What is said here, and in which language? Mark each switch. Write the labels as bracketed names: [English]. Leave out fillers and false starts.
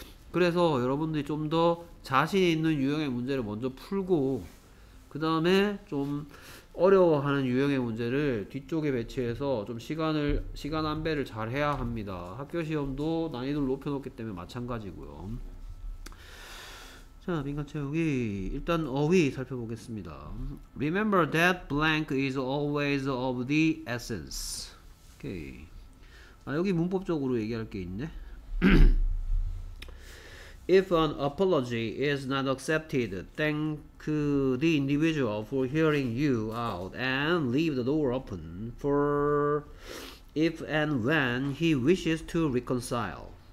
[Korean] 그래서 여러분들이 좀 더 자신 있는 유형의 문제를 먼저 풀고 그 다음에 좀 어려워하는 유형의 문제를 뒤쪽에 배치해서 좀 시간 안배를 잘 해야 합니다. 학교 시험도 난이도를 높여 놓기 때문에 마찬가지고요. 자, 빈칸 채우기. 일단 어휘 살펴보겠습니다. [English] Remember that blank is always of the essence. [Korean] 오케이. 아, 여기 문법적으로 얘기할 게 있네. [English] If an apology is not accepted, thank the individual for hearing you out and leave the door open for if and when he wishes to reconcile.